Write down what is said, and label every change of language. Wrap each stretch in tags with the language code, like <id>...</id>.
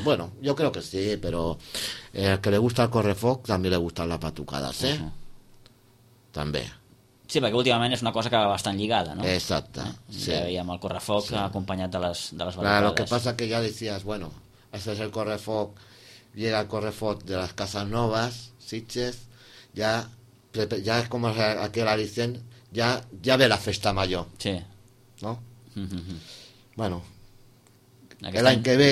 <es>Bueno, yo creo que sí, pero al que le gusta el correfoc también le gustan las batucadas, ¿eh?</es> <ca>Uh-huh. També. Sí, perquè últimament és una cosa que va bastant lligada, no? Exacte, sí. Ja veiem el correfoc acompanyat de les batucades.</ca> <es>Claro, lo que pasa que ya decías, bueno, ese es el correfoc, llega el correfoc de las casas novas, Sitges, ya es como aquel alicien,</es> <ca>ya ve la festa major.</ca> <es>Sí. ¿No? Mm-hmm.</es> <ca>Bueno, aquest l'any que ve,</ca>